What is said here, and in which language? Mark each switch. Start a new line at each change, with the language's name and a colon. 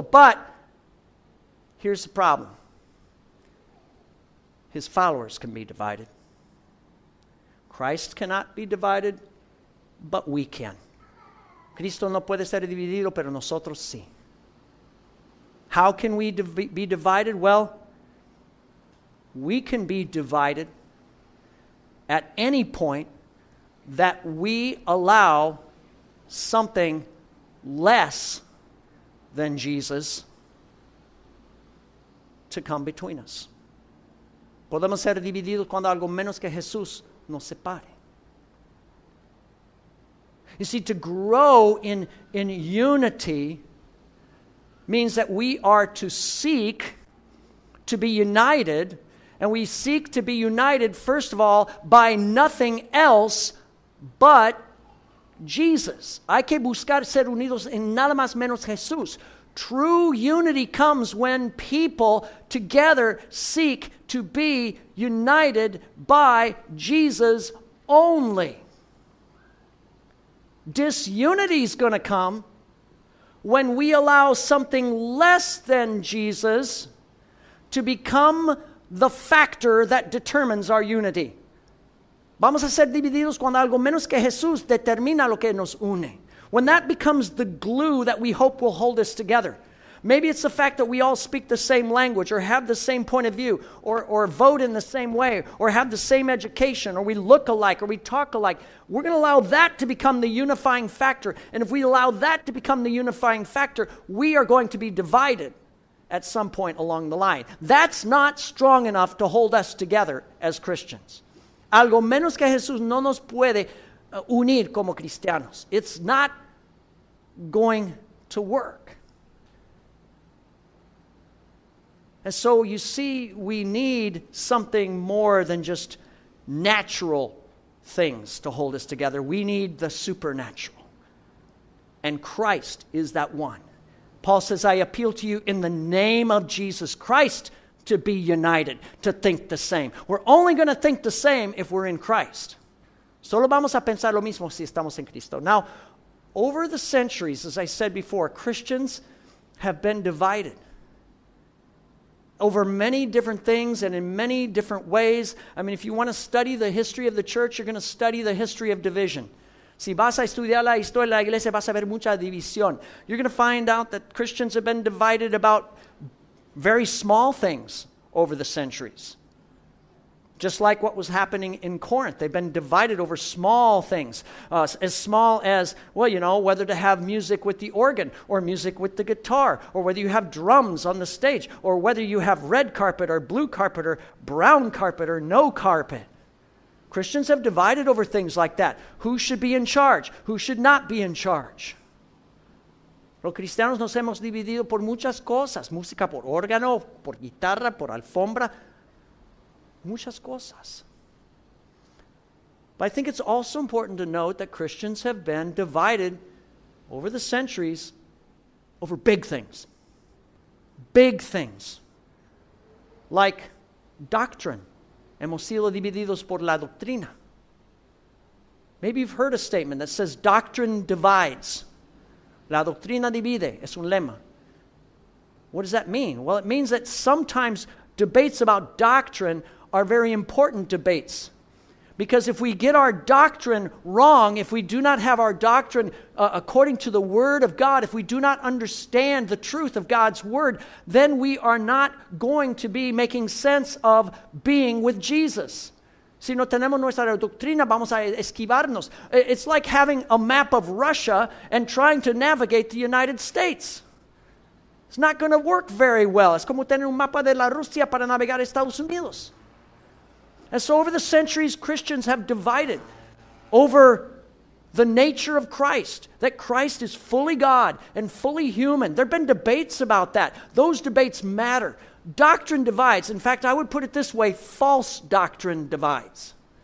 English: But here's the problem. His followers can be divided. Christ cannot be divided, but we can.
Spanish: Cristo no puede ser dividido, pero nosotros sí.
English: How can we be divided? Well, we can be divided at any point that we allow something less than Jesus to come between us.
Spanish: Podemos ser divididos cuando algo menos que Jesús nos separe.
English: You see, to grow in unity means that we are to seek to be united. And we seek to be united, first of all, by nothing else but Jesus.
Spanish: Hay que buscar ser unidos en nada más menos Jesús.
English: True unity comes when people together seek to be united by Jesus only. Disunity is going to come when we allow something less than Jesus to become the factor that determines our unity.
Spanish: Vamos a ser divididos cuando algo menos que Jesús determina lo que nos une.
English: When that becomes the glue that we hope will hold us together. Maybe it's the fact that we all speak the same language or have the same point of view or vote in the same way or have the same education or we look alike or we talk alike. We're going to allow that to become the unifying factor. And if we allow that to become the unifying factor, we are going to be divided at some point along the line. That's not strong enough to hold us together as Christians.
Spanish: Algo menos que Jesús no nos puede unir como cristianos.
English: It's not going to work. And so you see, we need something more than just natural things to hold us together. We need the supernatural. And Christ is that one. Paul says, I appeal to you in the name of Jesus Christ to be united, to think the same. We're only going to think the same if we're in Christ.
Spanish: Solo vamos a pensar lo mismo si estamos en Cristo.
English: Now, over the centuries, as I said before, Christians have been divided over many different things and in many different ways. I mean, if you want to study the history of the church, you're going to study the history of division.
Spanish: Si vas a estudiar la historia de la iglesia, vas a ver mucha división.
English: You're going to find out that Christians have been divided about very small things over the centuries. Just like what was happening in Corinth. They've been divided over small things. As small as, well, you know, whether to have music with the organ or music with the guitar or whether you have drums on the stage or whether you have red carpet or blue carpet or brown carpet or no carpet. Christians have divided over things like that. Who should be in charge? Who should not be in charge?
Spanish: Los cristianos nos hemos dividido por muchas cosas, música por órgano, por guitarra, por alfombra, muchas cosas.
English: But I think it's also important to note that Christians have been divided over the centuries over big things. Big things. Like doctrine.
Spanish: Hemos sido divididos por la doctrina.
English: Maybe you've heard a statement that says doctrine divides.
Spanish: La doctrina divide es un lema.
English: What does that mean? Well, it means that sometimes debates about doctrine are very important debates. Because if we get our doctrine wrong, if we do not have our doctrine according to the Word of God, if we do not understand the truth of God's Word, then we are not going to be making sense of being with Jesus.
Spanish: Si no tenemos nuestra doctrina, vamos a esquivarnos.
English: It's like having a map of Russia and trying to navigate the United States. It's not going to work very well.
Spanish: Es como tener un mapa de la Rusia para navegar Estados Unidos.
English: And so over the centuries, Christians have divided over the nature of Christ, that Christ is fully God and fully human. There have been debates about that. Those debates matter. Doctrine divides. In fact, I would put it this way, false doctrine divides.